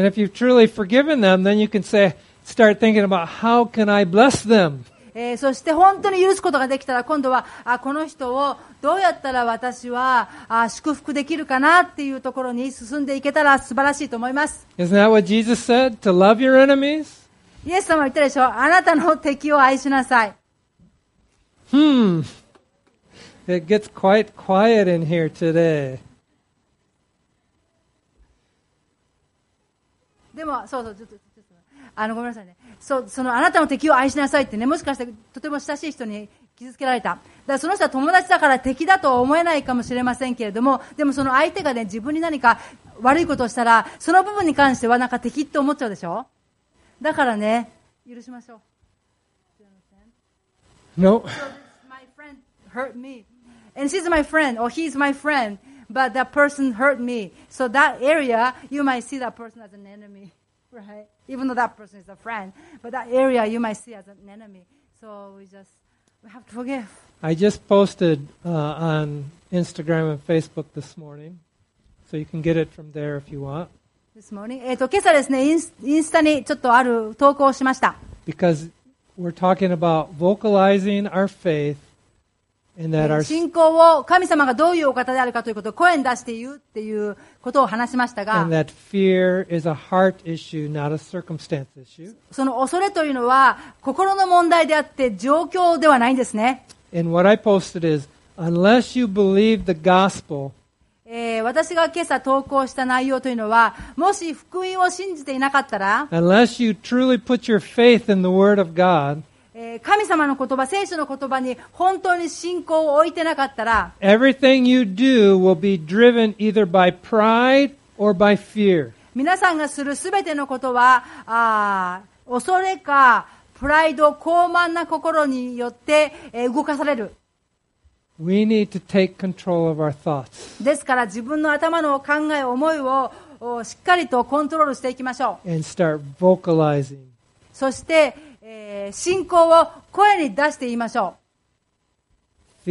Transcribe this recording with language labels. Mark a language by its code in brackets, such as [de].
[en] And if you've truly forgiven them, then you can say, start thinking about how can I bless them. [ja] そして本当に許すことができたら、今度はこの人をどうやったら私は祝福できるかなっていうところに進んでいけたら素晴らしいと思います。 [en] Isn't that what Jesus said? To love your enemies? [ja] イエス様は言ったでしょ、あなたの敵を愛しなさい。 [en] It gets quite quiet in here today. [ja] でもそうそう、ちょっとごめんなさいね。そのあなたの敵を愛しなさいってね、もしかしてとても親しい人に傷つけられた、だからその人は友達だから敵だと思えないかもしれませんけれども、でもその相手がね、自分に何か悪いことをしたら、その部分に関してはなんか敵って思っちゃうでしょ。だからね、許しましょう。 [en] No, so my friend hurt me and she's my friend or he's my friendBut that person hurt me. So that area, you might see that person as an enemy, right? Even though that person is a friend. But that area, you might see as an enemy. So we have to forgive. I just posted on Instagram and Facebook this morning. So you can get it from there if you want. This morning? [ja] 今朝ですね、インスタにちょっとある投稿をしました。 [en] Because we're talking about vocalizing our faith. And that our... [ja] 信仰を神様がどういうお方であるかということを声に出して言うっていうことを話しましたが、 [en] And that fear is a heart issue, not a circumstance issue. [ja] その恐れというのは心の問題であって状況ではないんですね。 [en] And what I posted is, unless you believe the gospel, [ja] 私が今朝投稿した内容というのは、もし福音を信じていなかったら、 [en] unless you truly put your faith in the word of God, [ja] 神様の言葉、聖書の言葉に本当に信仰を置いてなかったら、 [en] Everything you do will be driven either by pride or by fear. [ja] 皆さんがするすべてのことは、恐れかプライド、傲慢な心によって、動かされる。 [en] We need to take control of our thoughts. [ja] ですから自分の頭の考え、思いをしっかりとコントロールしていきましょう。 [en] And start vocalizing. [ja] そして、信仰を声に出して言いましょう。